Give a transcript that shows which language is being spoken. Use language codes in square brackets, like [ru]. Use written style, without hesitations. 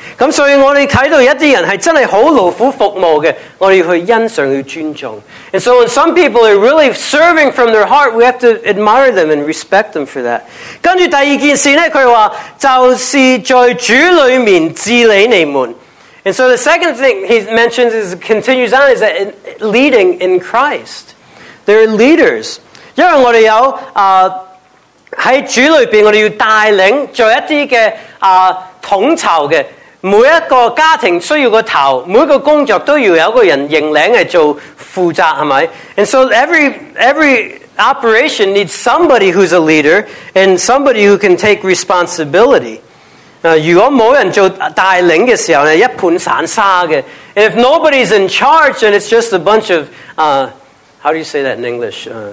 [zh] 所以我们看到一些人是真的很劳苦服务的，我们要去欣赏，要尊重。 [en] And so when some people are really serving from their heart, we have to admire them and respect them for that. [zh] 跟着第二件事呢，他说就是在主里面治理你们。 [en] And so the second thing he mentions is, continues on, is that leading in Christ. They're leaders. [zh] 因为我们有在主里面，我们要带领做一些的统筹的，每一个家庭需要个头，每一个工作都要有个人认领来做负责，是吗？ [en] And so every operation needs somebody who's a leader and somebody who can take responsibility. [zh] 如果没人做带领的时候，一盘散沙的。 [en] And if nobody's in charge, then it's just a bunch of, how do you say that in English?